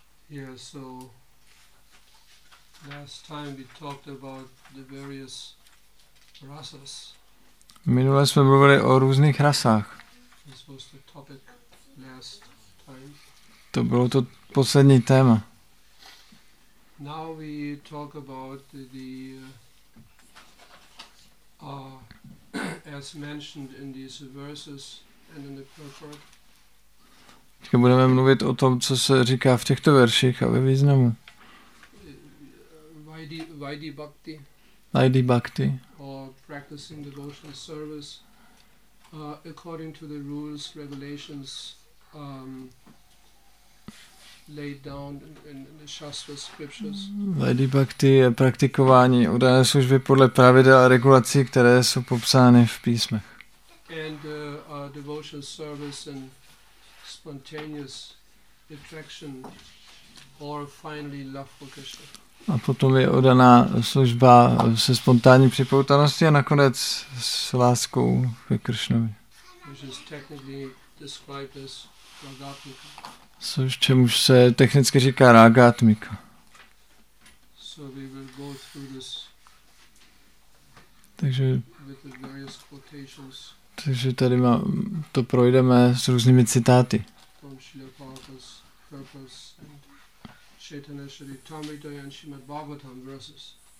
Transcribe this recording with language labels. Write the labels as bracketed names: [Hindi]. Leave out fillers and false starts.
[English] Yeah, so last time we talked about the various rasas. [Czech] Minule jsme mluvili o různých rasách. [English] This was the topic last time. [Czech] To bylo to poslední téma. [English] Now we talk about the as mentioned in these verses and in the purport. [Czech] Teď budeme mluvit o tom, co se říká v těchto verších a ve významu. [Sanskrit] Vaidhi bhakti. Vaidhi bhakti. [English] Or practicing devotional service according to the rules, regulations laid down in the Shastra scriptures. [Czech] Vaidhi bhakti je praktikování oddané služby podle pravidel a regulací, které jsou popsány v písmech. [English] And devotional service and spontaneous attraction or finally love for Krishna. [Czech] A potom je oddaná služba se spontánní připoutaností a nakonec s láskou ke Krishnovi. [English] Which is technically described as ragatmika. [Czech] Což čemuž se technicky říká rágátmika. [English] So we will go through this. [Czech] Takže [English] with the various quotations. [Czech] Takže tady má, to projdeme s různými citáty. [English] From Srila Prabhupada's purpose and Chaitanya Charitamrita and Srimad Bhagavatam verses.